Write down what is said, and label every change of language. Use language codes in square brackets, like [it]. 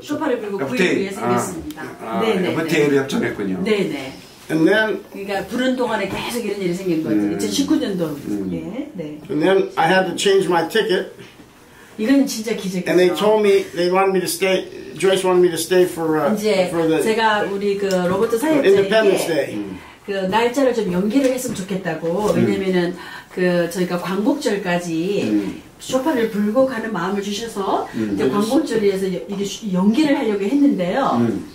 [ko] 쇼파를 불고 구입을 위해 생겼습니다. FTA를 협정했군요. 네네. [en] And then, [ko] 그러니까 부른 동안에 계속 이런 일이 생긴 거죠. 2019년도. 네. [en] And then I had to change my ticket. [ko] 이건 진짜 기적이죠. [en] And they told me they wanted me to stay. Joyce wanted me to stay for for the [ko] 제가 우리 그 로버트 사역자에게 [en] Independence Day. [ko] 그 날짜를 좀 연기를 했으면 좋겠다고. 왜냐면은 그 저희가 광복절까지 쇼파를 불고 가는 마음을 주셔서 이제 광복절에서 이게 연기를 하려고 했는데요.